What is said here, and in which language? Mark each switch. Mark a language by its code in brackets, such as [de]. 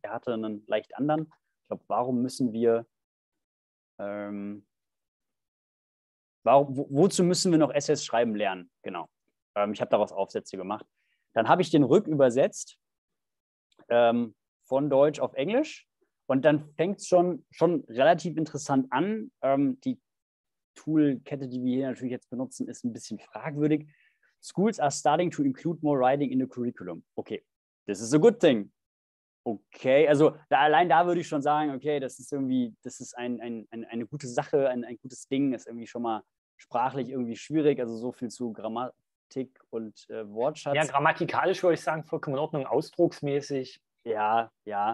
[de] Er hatte einen leicht anderen. Ich glaube, warum müssen wir, wozu müssen wir noch Essays schreiben lernen? Genau. Ich habe daraus Aufsätze gemacht. Dann habe ich den rückübersetzt von Deutsch auf Englisch und dann fängt es schon relativ interessant an. Die Toolkette, die wir hier natürlich jetzt benutzen, ist ein bisschen fragwürdig. [en] Schools are starting to include more writing in the curriculum. Okay, this is a good thing. [de] Okay, also allein da würde ich schon sagen, okay, das ist irgendwie, das ist eine gute Sache, ein gutes Ding, ist irgendwie schon mal sprachlich irgendwie schwierig, also so viel zu Grammatik und Wortschatz. Ja, grammatikalisch würde ich sagen, vollkommen in Ordnung, ausdrucksmäßig. Ja, ja.